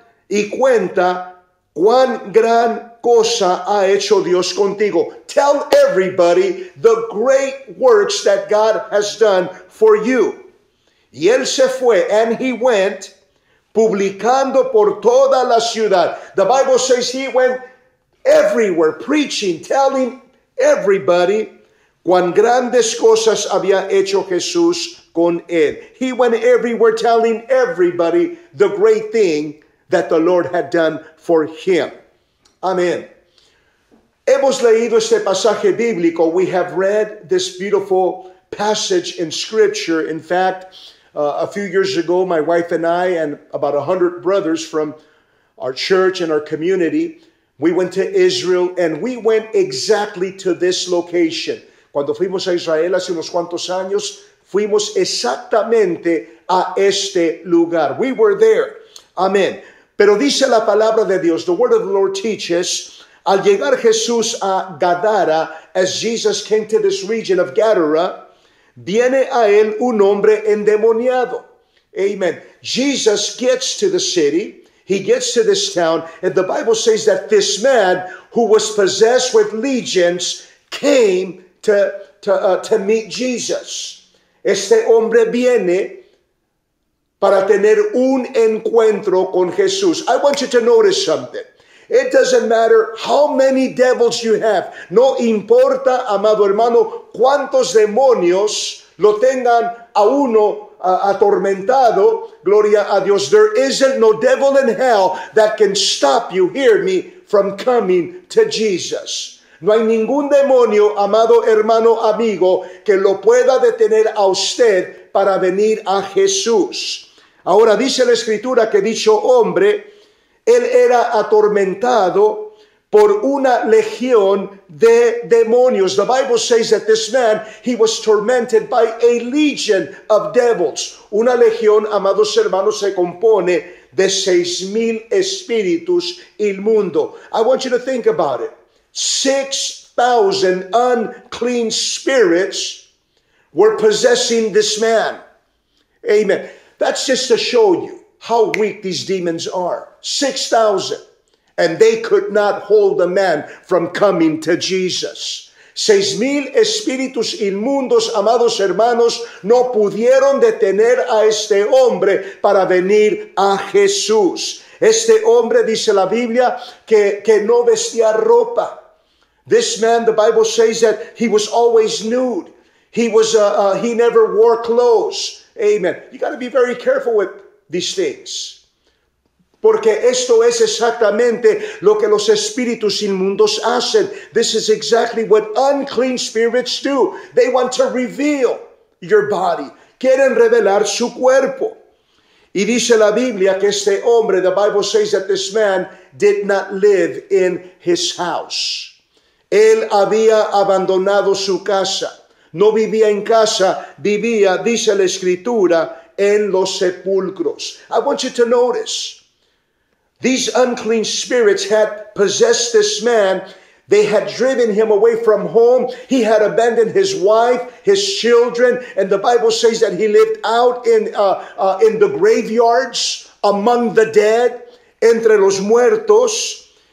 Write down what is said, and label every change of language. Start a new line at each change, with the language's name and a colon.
Spanish: Y cuenta cuán gran cosa ha hecho Dios contigo.
English: Tell everybody the great works that God has done for you.
Spanish: Y él se fue,
English: and he went,
Spanish: publicando por toda la ciudad.
English: The Bible says he went everywhere, preaching, telling everybody
Spanish: cuán grandes cosas había hecho Jesús con él.
English: He went everywhere telling everybody the great thing that the Lord had done for him. Amen.
Spanish: Hemos leído este pasaje bíblico.
English: We have read this beautiful passage in Scripture. In fact, a few years ago, my wife and I and about 100 brothers from our church and our community, we went to Israel, and we went exactly to this location.
Spanish: Cuando fuimos a Israel hace unos cuantos años, fuimos exactamente a este lugar.
English: We were there. Amen.
Spanish: Pero dice la palabra de Dios,
English: the word of the Lord teaches,
Spanish: al llegar Jesús a Gadara,
English: as Jesus came to this region of Gadara,
Spanish: viene a él un hombre endemoniado. Amen.
English: Jesus gets to the city, he gets to this town, and the Bible says that this man who was possessed with legions came to meet Jesus.
Spanish: Este hombre viene para tener un encuentro con Jesús.
English: I want you to notice something. It doesn't matter how many devils you have.
Spanish: No importa, amado hermano, cuántos demonios lo tengan a uno atormentado. Gloria a Dios.
English: There isn't no devil in hell that can stop you, hear me, from coming to Jesus.
Spanish: No hay ningún demonio, amado hermano, amigo, que lo pueda detener a usted para venir a Jesús. Ahora dice la escritura que dicho hombre, él era atormentado por una legión de demonios.
English: The Bible says that this man, he was tormented by a legion of devils.
Spanish: Una legión, amados hermanos, se compone de 6,000 espíritus inmundo.
English: I want you to think about it. 6,000 unclean spirits were possessing this man. Amen. That's just to show you how weak these demons are. 6,000. And they could not hold a man from coming to Jesus.
Spanish: 6,000 espíritus inmundos, amados hermanos, no pudieron detener a este hombre para venir a Jesús. Este hombre, dice la Biblia, que no vestía ropa.
English: This man, the Bible says that he was always nude. He never wore clothes. Amen. You got to be very careful with these things.
Spanish: Porque esto es exactamente lo que los espíritus inmundos hacen.
English: This is exactly what unclean spirits do. They want to reveal your body.
Spanish: Quieren revelar su cuerpo. Y dice la Biblia que este hombre,
English: the Bible says that this man did not live in his house.
Spanish: Él había abandonado su casa. No vivía en casa, vivía, dice la escritura, en los sepulcros.
English: I want you to notice, these unclean spirits had possessed this man. They had driven him away from home. He had abandoned his wife, his children. And the Bible says that he lived out in the graveyards among the dead,
Spanish: entre los muertos.